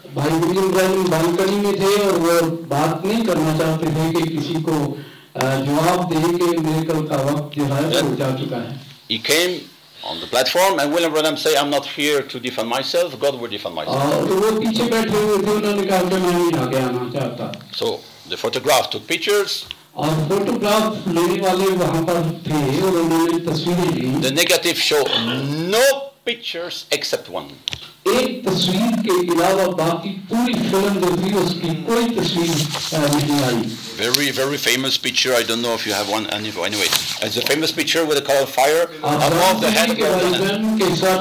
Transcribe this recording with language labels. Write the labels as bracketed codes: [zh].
[hi] भाई William Branham balcony में थे और वो बात नहीं करना चाहते थे कि किसी को जवाब दे के मेरे कल का वक्त जो है वो जा चुका है. [en] He came on the platform and William Branham said, "I'm not here to defend myself. God will defend myself." [hi] तो वो पीछे बैठे हुए थे, उन्होंने कहा कि मैं नहीं आगे आना चाहता. [en] So the photograph took pictures. [hi] और फोटोग्राफ लेने वाले वहां पर थे और उन्होंने तस्वीरें ली. [en] The negative show no pictures except one. [hi] एक तस्वीर के अलावा बाकी पूरी फिल्म जो थी उसकी कोई तस्वीर नहीं आई. [en] Very, very famous picture. I don't know if you have one. Anyway, it's a famous picture with a color of fire above the head.